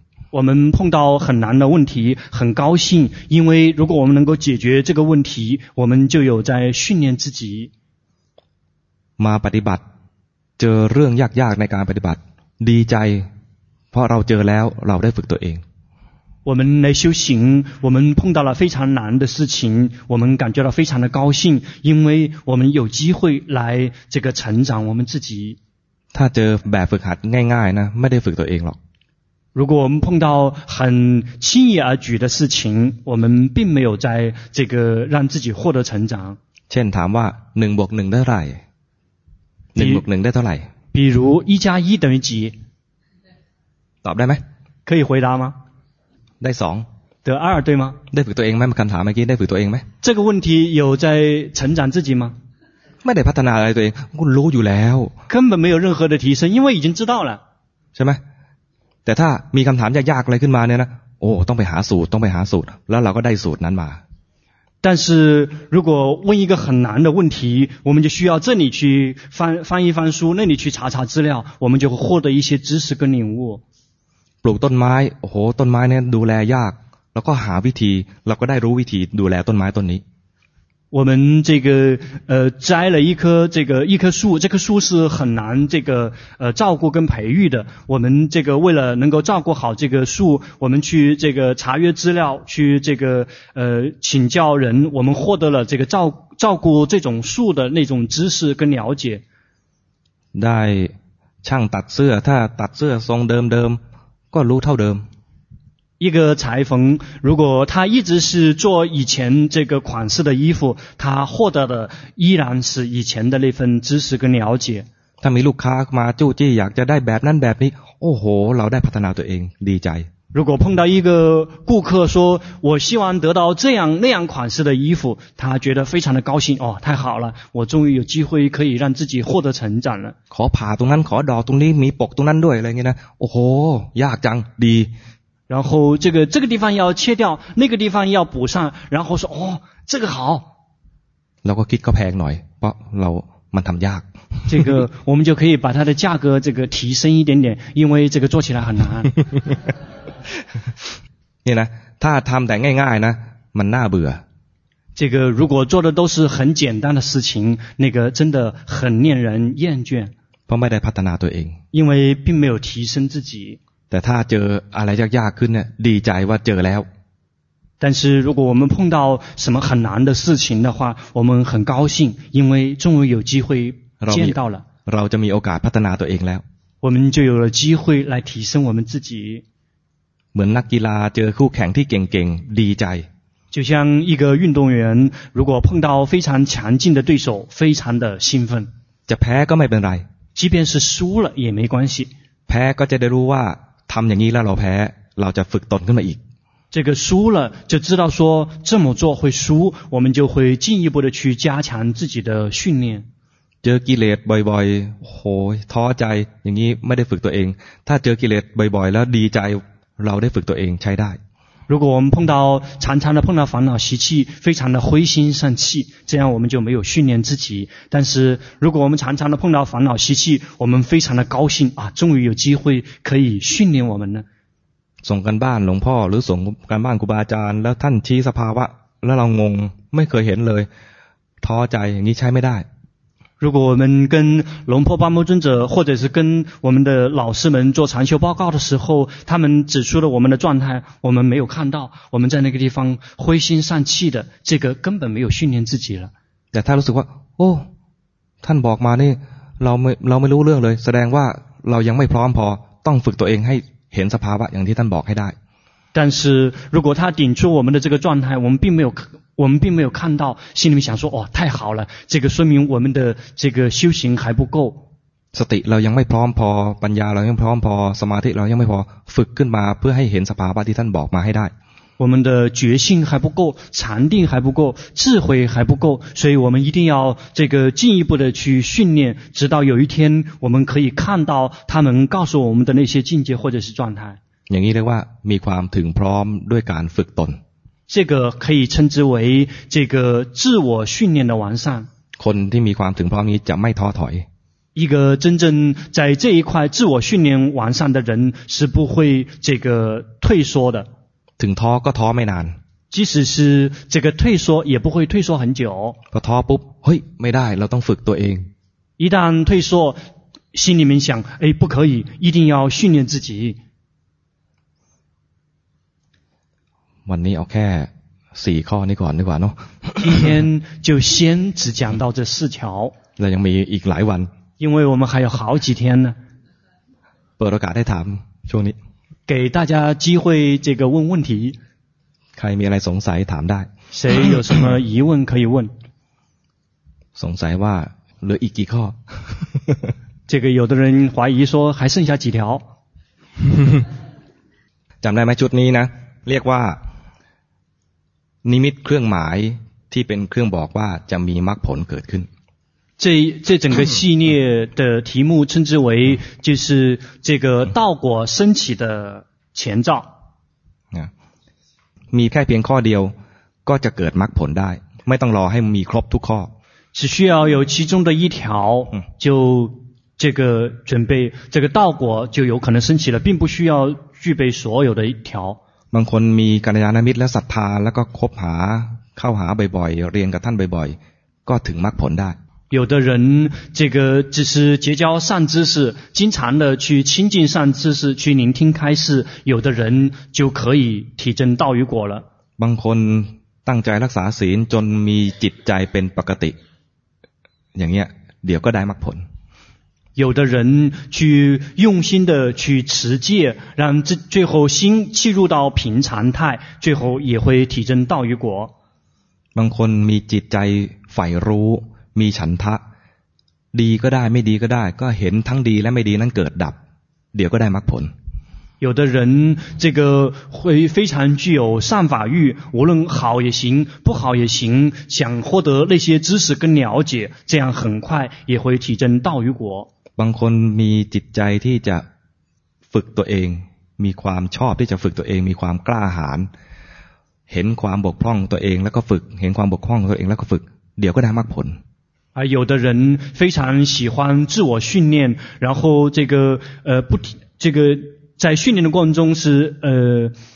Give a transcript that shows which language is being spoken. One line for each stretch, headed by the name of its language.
Chinese: 我们碰到很难的问题很高兴因为如果我们能够解决这个问题我们就有在训练自己
Thai: มาปฏิบัติเจอเรื่องยากๆในการปฏิบัติดีใจเพราะเราเจอแล้วเราได้ฝึกตัวเอง
Chinese: 我们来修行我们碰到了非常难的事情我们感觉到非常的高兴因为我们有机会来这个成长我们自己
Thai: ถ้าเจอแบบฝึกหัดง่ายๆนะไม่ได้ฝึกตัวเองหรอก
Chinese: 如果我们碰到很轻易而举的事情我们并没有在这个让自己获得成长
Thai: เช่นถามว่า1บวก1ได้เท่าไหร่1บวก1ได้เท่าไหร่
Chinese: 比如1加1等于几
Thai: ตอบได้ไหม
Chinese: 可以回答吗
Thai: ได้2
Chinese: 得2对吗
Thai: ได้ฝึกตัวเองไหมคำถามเมื่อกี้ได้ฝึกตัวเองไหม
Chinese: 这个问题有在成长自己吗
Thai: ไม่ได้พัฒนาอะไรตัวเองก็รู้อยู่แล้ว
Chinese: 根本没有任何的提升因为已经知道了
Thai: ใช่ไหมแต่ถ้ามีคำถามยากๆอะไรขึ้นมาเนี่ยนะโอ้ต้องไปหาสูตรต้องไปหาสูตรแล้วเราก็ได้สูตรนั้นมา
Chinese: 但是如果问一个很难的问题我们就需要这里去翻一翻书那里去查查资料我们就会获得一些知识跟领悟
Thai: ปลูกต้นไม้โอ้โหต้นไม้เนี่ยดูแลยากแล้วก็หาวิธีเราก็ได้รู้วิธีดูแลต้นไม้ต้นนี้
Chinese: 我们这个摘了一棵树这棵树是很难这个照顾跟培育的我们这个为了能够照顾好这个树我们去这个查阅资料去这个请教人我们获得了这个照顾这种树的那种知识跟了解
Thai: ได้ช่างตัดเสื้อถ้าตัดเสื้อทรงเดิมๆก็รู้เท่าเดิม
Chinese: 一个裁缝如果他一直是做以前这个款式的衣服他获得的依然是以前的那份知识跟了解他没
Thai: ลูกค้ามาจู่จี้อยากจะได้แบบนั้นแบบนี้โอ้โหเราได้พัฒนาตัวเองดีใจ
Chinese: 如果碰到一个顾客说我希望得到这样那样款式的衣服他觉得非常的高兴哦太好了我终于有机会可以让自己获得成长了
Thai: ขอผ่าตรงนั้นขอดอกตรงนี้มีปกตรงนั้นด้วยอะไรเงี้ยนะโอ้โหยากจังดี
Chinese: 然后这个地方要切掉那个地方要补上然后说哦这个好
Thai: เราก็คิดก็แพงหน่อยเพราะเรามันทำยาก
Chinese: 这个我们就可以把它的价格这个提升一点点因为这个做起来很难
Thai: นี่นะถ้าทำแต่ง่ายๆนะมันน่าเบื่อ
Chinese: 这个如果做的都是很简单的事情那个真的很令人厌倦
Thai: เพราะไม่ได้พัฒนาตัวเอง
Chinese: 因为并没有提升自己
Thai: แต่ถ้าเจออะไรยากๆขึ้นเนี่ยดีใจว่าเจอแล้ว
Chinese: 但是如果我们碰到什么很难的事情的话我们很高兴因为终于有机会见到了
Thai: เราจะมีโอกาสพัฒนาตัวเองแล้ว
Chinese: 我们就有了机会来提升我们自己
Thai: เหมือนนักกีฬาเจอคู่แข่งที่เก่งๆดีใจ
Chinese: 就像一个运动员如果碰到非常强劲的对手非常的兴奋
Thai: จะแพ้ก็ไม่เป็นไร
Chinese: 即便是输了也没关系
Thai: แพ้ก็จะได้รู้ว่าทำอย่างนี้แล้วเราแพ้เราจะฝึกตนขึ้นมาอีก
Chinese: 这个输了就知道说这么做会输我们就会进一步的去加强自己的训练
Thai: เจอกิเลสบ่อยๆโหท้อใจอย่างนี้ไม่ได้ฝึกตัวเองถ้าเจอกิเลสบ่อยๆแล้วดีใจเราได้ฝึกตัวเองใช้ได้
Chinese: 如果我们碰到常常的碰到烦恼习气非常的灰心丧气这样我们就没有训练自己但是如果我们常常的碰到烦恼习气我们非常的高兴啊终于有机会可以训练我们呢
Thai: ส่งกันบ้านหลวงพ่อหรือส่งกันบ้านครูบาอาจารย์แล้วท่านชี้สภาวะแล้วเรางงไม่เคยเห็นเลยท้อใจอย่างนี้ใช้ไม่ได้
Chinese: 如果我们跟龙婆巴摩尊者或者是跟我们的老师们做禅修报告的时候他们指出了我们的状态我们没有看到我们在那个地方灰心丧气的这个根本没有训练自己了
Thai: แต่ท่านรู้สึกว่าโอ้ท่านบอกมานี่เราไม่รู้เรื่องเลยแสดงว่าเรายังไม่พร้อมพอต้องฝึกตัวเองให้เห็นสภาวะอย่างที่ท่านบอกให้ได้
Chinese: 但是如果他顶出我们的这个状态我们并没有看到心里面想说哦太好了这个说明我们的这个修行还不够
Thai: สติเรายังไม่พร้อมพอปัญญาเรายังพร้อมพอสมาธิเรายังไม่พอฝึกขึ้นมาเพื่อให้เห็นสภาวะที่ท่านบอกมาให้ได้
Chinese: 我们的觉性还不够禅定还不够智慧还不够所以我们一定要这个进一步的去训练直到有一天我们可以看到他们告诉我们的那些境界或者是状态
Thai: อย่างนี้เรียกว่ามีความถึงพร้อมด้วยการฝึกตน
Chinese: 这个可以称之为这个自我训练的完善
Thai: คนที่มีความถึงพร้อมนี้จะไม่ท้อถอย
Chinese: 一个真正在这一块自我训练完善的人是不会这个退缩的
Thai: ถึงท้อก็ท้อไม่นาน
Chinese: 即使是这个退缩也不会退缩很久
Thai: พอท้อปุ๊บเฮ้ยไม่ได้เราต้องฝึกตัวเอง
Chinese: 一旦退缩心里面想哎不可以一定要训练自己
Thai: วันนี้เอาแค่4ข้อนี้ก่อนดีกว่าเนาะ
Chinese: 今天就先只讲到这四条
Thai: แล้วยังมีอีกหลายวัน
Chinese: 因为我们还有好几天呢
Thai: เปิดโอกาสให้ถามช่วงนี้
Chinese: 给大家机会这个问问题
Thai: ใครมีอะไรสงสัยถามได้
Chinese: 谁有什么疑问可以问
Thai: สงสัยว่าเหลืออีกกี่ข้อ
Chinese: 这个有的人怀疑说还剩下几条
Thai: จำได้ไหมชุดนี้นะเรียกว่านิมิตเครื่องหมายที่เป็นเครื่องบอกว่าจะมีมรรคผลเกิดขึ้น
Chinese: 这整个系列的题目称之为就是这个道果升起的前兆
Thai: มีแค่เพียงข้อเดียวก็จะเกิดมรรคผลได้ไม่ต้องรอให้มีครบทุกข้อ
Chinese: 只需要有其中的一条就这个准备这个道果就有可能升起了并不需要具备所有的一条
Thai: บางคนมีกัลยาณมิตรและศรัทธาแล้วก็คบหาเข้าหาบ่อยๆเรียนกับท่านบ่อยๆก็ถึงมรรคผลได้
Chinese: 有的人这个只是结交善知识经常的去亲近善知识去聆听开示有的人就可以提证道与果了
Thai: บางคนตั้งใจรักษาศีลจนมีจิตใจเป็นปกติอย่างเงี้ยเดี๋ยวก็ได้มรรคผล
Chinese: 有的人去用心的去持戒让最后心契入到平常态最后也会体证道与果
Thai: บางคนมีจิตใจใฝ่รู้มีฉันทะดีก็ได้ไม่ดีก็ได้ก็เห็นทั้งดีและไม่ดีนั้นเกิดดับเดี๋ยวก็ได้มรรคผล
Chinese: 有的人这个会非常具有善法欲无论好也行不好也行想获得那些知识跟了解这样很快也会体证道与果
Thai: บางคนมีจิตใจที่จะฝึกตัวเองมีความชอบที่จะฝึกตัวเองมีความกล้าหาญเห็นความบกพร่องตัวเองแล้วก็ฝึกเห็นความบกพร่องตัวเองแล้วก็ฝึกเดี๋ยวก็ได้มรรคผล
Chinese: 有的人非常喜欢自我训练然后这个不这个在训练的过程中是